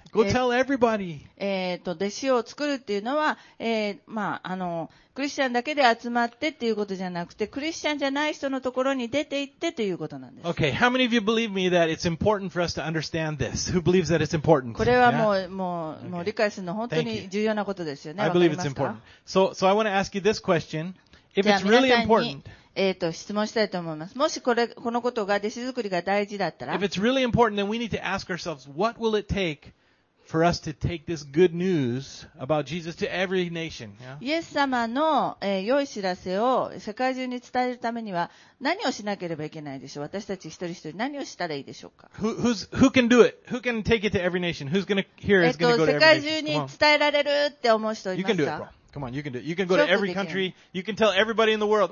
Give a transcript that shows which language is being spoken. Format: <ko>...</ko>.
<en>Go tell everybody.</en> <ja>弟子を作るっていうのは、まあ、クリスチャンだけで集まってっていうことじゃなくて、クリスチャンじゃない人のところに出て行ってということなんです。</ja> <en>Okay, how many of you believe me that it's important for us to understand this? Who believes that it's important?</en> <ja>これはもう、yeah? もう理解するの本当に重要なことですよね。</ja> <en>I believe it's important. So I want to ask you this question. If it's really important,</en> <ja>質問したいと思います。もしこのことが弟子作りが大事だったら、</ja> <en>If it's really important, then we need to ask ourselves, what will it take? For us to take this good news about Jesus to every nation.</en> <ja>Yes, 様の良い知らせを世界中に伝えるためには何をしなければいけないでしょう。私たち一人一人何をしたらいいでしょうか。</ja> <en>Who can do it? Who can take it to every nation? Who's going to hear? Is going to go to every nation?</en> <ja>世界中に伝えられるって思う人いますか。</ja> <en>You can do it, bro. Come on, you can do it. You can go to every country. You can tell everybody in the world.</en>